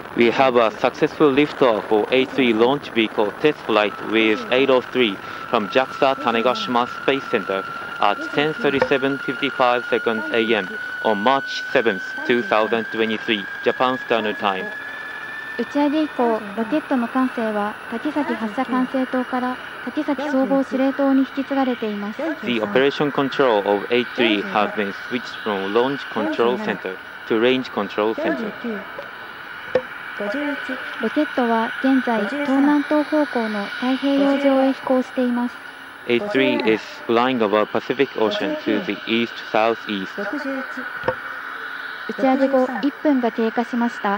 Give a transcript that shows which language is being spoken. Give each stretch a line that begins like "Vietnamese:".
English: We have a successful liftoff for H3 launch vehicle test flight with 803 from JAXA Tanegashima Space Center at 10:37:55 a.m. on March 7th, 2023, Japan Standard Time.
Japanese: 打ち上げ以降、ロケットの管制は滝崎発射管制塔から滝崎総合司令塔に引き継がれています。
English: The operation control of H3 has been switched from launch control center to range control center.
Japanese: ロケットは現在東南東方向の太平洋上へ飛行しています。
English: H3 is flying over Pacific Ocean to the east southeast.
Japanese: 打ち上げ後1分が経過しました。